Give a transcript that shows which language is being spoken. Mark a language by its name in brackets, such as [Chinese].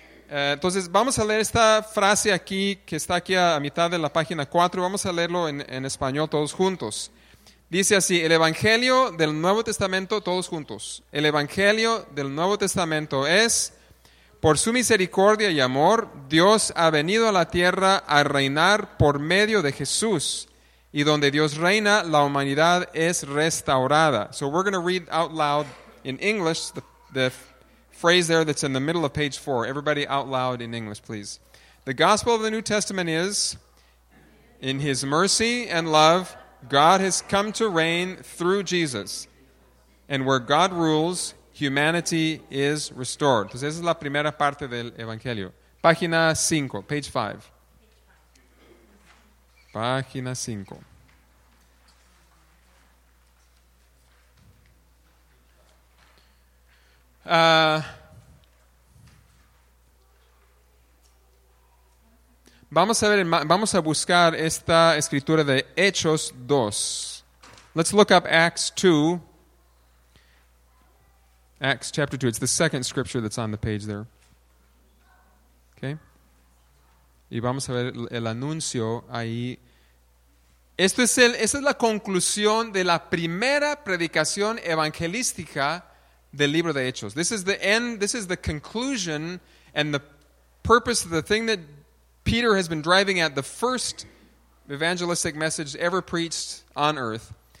[Spanish] Entonces, vamos a leer esta frase aquí, que está aquí a mitad de la página 4. Vamos a leerlo en español todos juntos. Dice así, el Evangelio del Nuevo Testamento, todos juntos. El Evangelio del Nuevo Testamento es, por su misericordia y amor, Dios ha venido a la tierra a reinar por medio de Jesús. Y donde Dios reina, la humanidad es restaurada. [English] So we're going to read out loud in English the phrase there that's in the middle of page 4. Everybody out loud in English, please. The gospel of the New Testament is, in his mercy and love, God has come to reign through Jesus. And where God rules, humanity is restored. [Spanish] Entonces esa es la primera parte del Evangelio. Página 5, [English] page 5. [Spanish] Página 5. Vamos a buscar esta escritura de Hechos 2. [English] Let's look up Acts 2. Acts chapter 2. It's the second scripture that's on the page there. [Spanish] Okay. Y vamos a ver el anuncio ahí. Esta es la conclusión de la primera predicación evangelística del libro de Hechos. [English] This is the end, this is the conclusion and the purpose of the thing that Peter has been driving at, the first evangelistic message ever preached on earth.